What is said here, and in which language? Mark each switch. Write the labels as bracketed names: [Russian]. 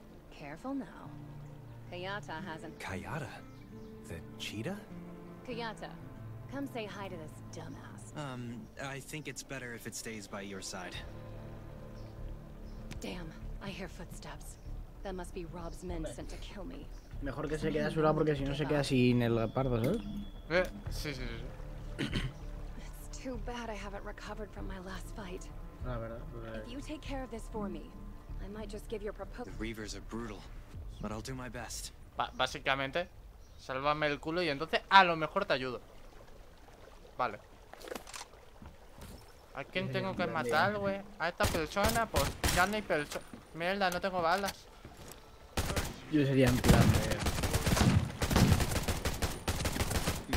[English] Careful now. Kayata hasn't- Kayata? The cheetah? Kayata, come say hi to this dumbass. I think it's better if it stays by your side. Damn, I hear footsteps. That must be Rob's men sent to kill me. [Spanish] Mejor que se quede a su lado porque si no se queda sin el pardo, ¿sabes? Sí. [English] It's too bad I haven't recovered from my last fight. [Spanish] La verdad. [English] If you take care of this for me, I might just give your proposal. The Reavers are brutal, but I'll do my best. [Spanish] Básicamente, sálvame el culo y entonces a lo mejor te ayudo. Vale. ¿A quién tengo que matar, güey? ¿A esta persona? Pues ya no hay persona. Mierda, no tengo balas. Yo sería en plan de...